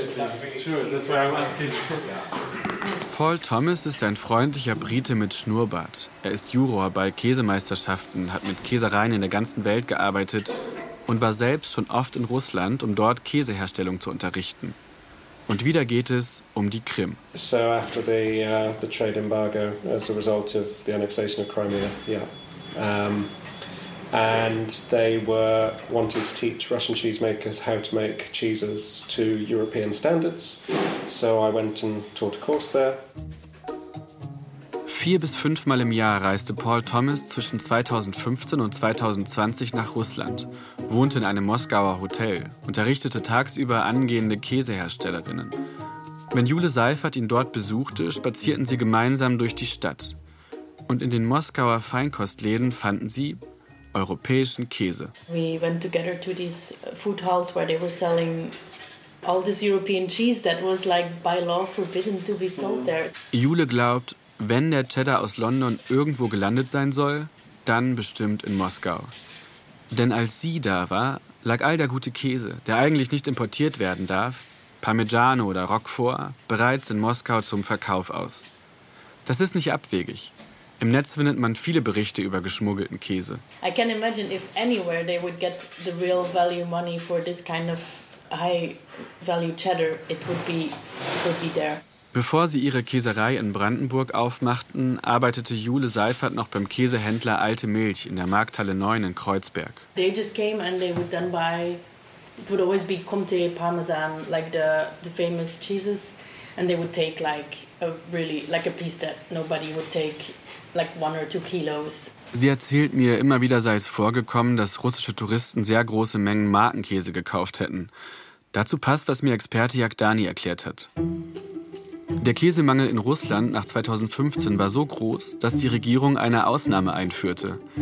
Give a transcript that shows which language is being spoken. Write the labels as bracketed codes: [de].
[en] Definitely. Sure, that's why I'm asking. [de] Paul Thomas ist ein freundlicher Brite mit Schnurrbart. Er ist Juror bei Käsemeisterschaften, hat mit Käsereien in der ganzen Welt gearbeitet und war selbst schon oft in Russland, um dort Käseherstellung zu unterrichten. Und wieder geht es um die Krim. [en] So after the trade embargo as a result of the annexation of Crimea, yeah. And they were wanting to teach Russian cheesemakers how to make cheeses to European standards. So I went and taught a course there. [de] 4 bis 5 Mal im Jahr reiste Paul Thomas zwischen 2015 und 2020 nach Russland, wohnte in einem Moskauer Hotel, unterrichtete tagsüber angehende Käseherstellerinnen. Wenn Jule Seifert ihn dort besuchte, spazierten sie gemeinsam durch die Stadt. Und in den Moskauer Feinkostläden fanden sie europäischen Käse. [en] We went together to these food halls where they were selling all this European cheese that was like by law forbidden to be sold there. [de] Jule glaubt, wenn der Cheddar aus London irgendwo gelandet sein soll, dann bestimmt in Moskau. Denn als sie da war, lag all der gute Käse, der eigentlich nicht importiert werden darf, Parmigiano oder Roquefort, bereits in Moskau zum Verkauf aus. Das ist nicht abwegig. Im Netz findet man viele Berichte über geschmuggelten Käse. [en] I can imagine if anywhere they would get the real value money for this kind of high value cheddar, it would be there. [de] Bevor sie ihre Käserei in Brandenburg aufmachten, arbeitete Jule Seifert noch beim Käsehändler Alte Milch in der Markthalle 9 in Kreuzberg. [en] They just came and they would then buy, it would always be Comté, Parmesan, like the famous cheeses, and they would take like a piece that nobody would take, like 1 or 2 kilos. [de] Sie erzählt mir, immer wieder sei es vorgekommen, dass russische Touristen sehr große Mengen Markenkäse gekauft hätten. Dazu passt, was mir Experte Jagdani erklärt hat. Der Käsemangel in Russland nach 2015 war so groß, dass die Regierung eine Ausnahme einführte.